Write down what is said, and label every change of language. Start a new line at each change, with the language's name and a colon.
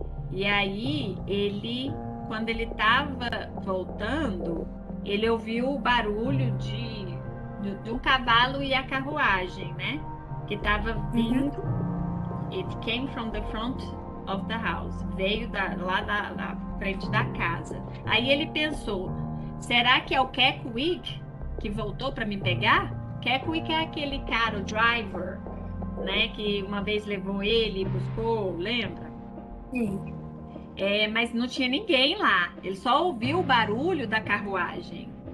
Portuguese: E aí, quando ele estava voltando, ele ouviu o barulho de um cavalo e a carruagem, né? Que estava vindo.
English: It came from the front of the house.
Portuguese: Veio lá da frente da casa. Aí ele pensou: será que é o Kekwig que voltou para me pegar? Kekwig é aquele cara, o driver, né? Que uma vez levou ele e buscou, lembra? Mas não tinha ninguém lá. Ele só ouviu o barulho da carruagem.